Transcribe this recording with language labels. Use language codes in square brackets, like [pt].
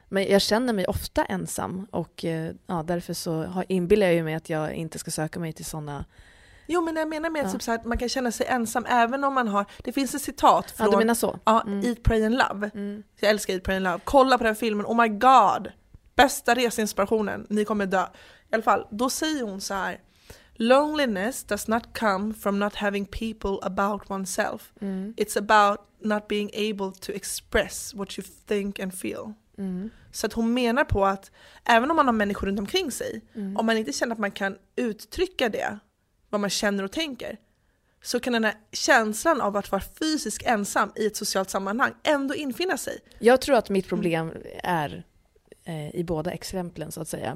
[sv] Men jag känner mig ofta ensam. Och därför så inbillar jag ju mig att jag inte ska söka mig till sådana. Jo, men jag menar med att man kan känna sig ensam även om man har. Det finns ett citat från du menar så? Ja, Eat, Pray and Love. Mm. Jag älskar Eat, Pray and Love. Kolla på den filmen. [en] Oh my god. [sv] Bästa reseinspirationen. Ni kommer dö. I alla fall, då säger hon så här. [en] Loneliness does not come from not having people about oneself. Mm. It's about not being able to express what you think and feel. [sv] Så att hon menar på att även om man har människor runt omkring sig, om man inte känner att man kan uttrycka det, vad man känner och tänker, så kan den här känslan av att vara fysiskt ensam i ett socialt sammanhang ändå infinna sig. Jag tror att mitt problem är i båda exemplen, så att säga.